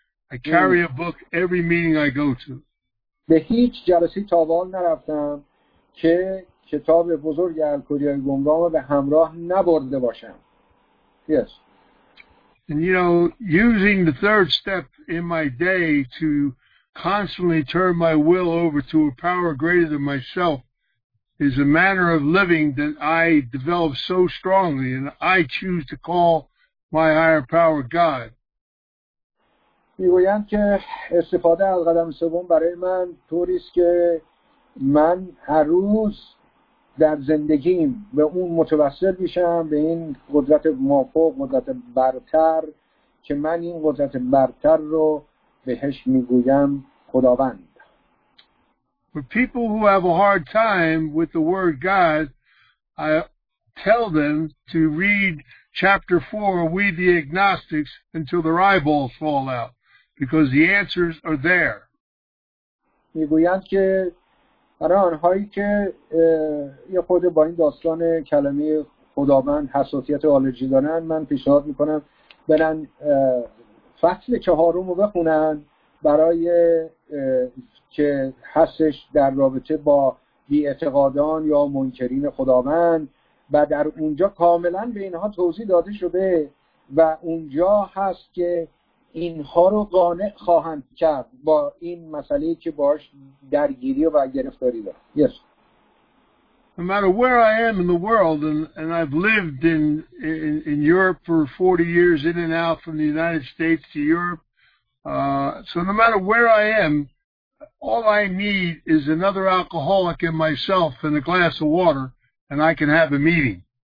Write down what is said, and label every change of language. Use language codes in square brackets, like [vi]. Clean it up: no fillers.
[en] I carry a book every meeting I go to. [fa] به هیچ جلسه تا به حال نرفتم که کتاب بزرگ الکلی‌های گمراه به همراه نبرده باشم. [en] Yes. And you know, using the third step in my day to constantly turn my will over to a power greater than myself is a manner of living that I develop so strongly, and I choose to call my higher power God. [fa] میگویند که استفاده از قدم سوم برای من طوری است که من هر روز در زندگیم به اون متوسل میشم، به این قدرت مافوق، قدرت برتر، که من این قدرت برتر رو بهش میگویم خداوند. [en] For people who have a hard time with the word God, I tell them to read chapter 4, We the Agnostics, until their eyeballs fall out, because the answers are there. [fa] میگویند که برای آنهایی که یه خود با این داستان کلمه خداوند حساسیت آلرژی دارن، من پیشنهاد میکنم برن فصل 4 رو بخونن برای که هستش در رابطه با بی‌اعتقادان یا منکرین خداوند، و در اونجا کاملا به اینها توضیح داده شده و اونجا هست که اینها رو قانع خواهند کرد با این مسئله که باش درگیری و گرفتاری داره. [en] Yes. No matter where I am in the world, and I've lived in Europe for 40 years in and out from the United States to Europe, so no matter where I am, all I need is another alcoholic and myself and a glass of water, and I can have a meeting.